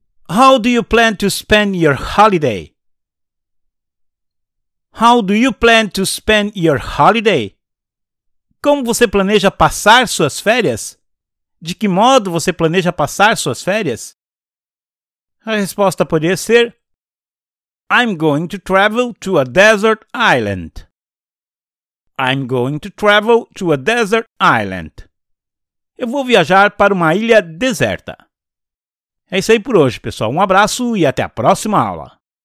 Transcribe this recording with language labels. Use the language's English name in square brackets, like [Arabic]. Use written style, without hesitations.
[English] How do you plan to spend your holiday? How do you plan to spend your holiday? [Portuguese] Como você planeja passar suas férias? De que modo você planeja passar suas férias? A resposta poderia ser [English] I'm going to travel to a desert island. I'm going to travel to a desert island. [Portuguese] Eu vou viajar para uma ilha deserta. É isso aí por hoje, pessoal. Um abraço e até a próxima aula.